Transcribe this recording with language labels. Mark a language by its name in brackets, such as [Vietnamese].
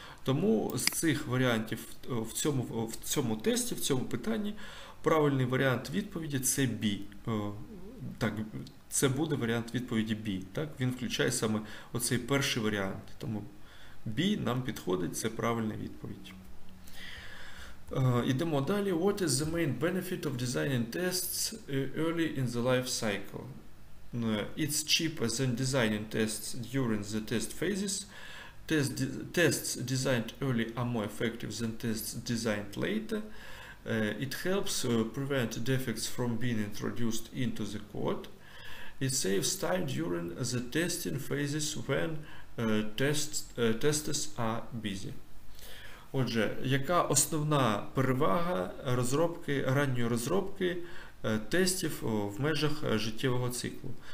[Ukrainian] Тому з цих варіантів в цьому тесті, в цьому питанні, правильний варіант відповіді це B. Так, це буде варіант відповіді B. Так, він включає саме оцей перший варіант. Тому B нам підходить, це правильна відповідь. Йдемо далі. [English] What is the main benefit of designing tests early in the life cycle? It's cheaper than designing tests during the test phases. Tests designed early are more effective than tests designed later. It helps prevent defects from being introduced into the code. It saves time during the testing phases when testers are busy. [Ukrainian] Отже, яка основна перевага ранньої розробки тестів в межах життєвого циклу?